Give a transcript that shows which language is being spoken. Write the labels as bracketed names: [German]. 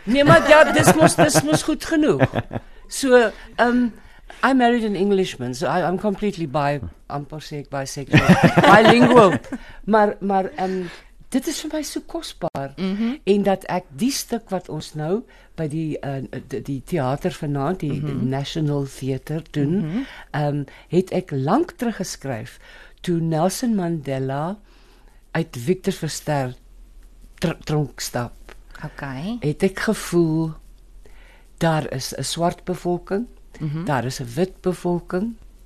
[Afrikaans] Nee, maar ja, dis mos goed genoeg. [English] So, I married an Englishman, so I'm completely bisexual. Bilingual. [Afrikaans] Maar dit is vir my so kosbaar. En dat ek die stuk wat ons nou by die theater vanaand, die National Theater doen, het ek lank teruggeskryf. Toe Nelson Mandela uit Victor Verster tronk stap, het ek gevoel, daar is 'n swart bevolking, daar is 'n wit bevolking.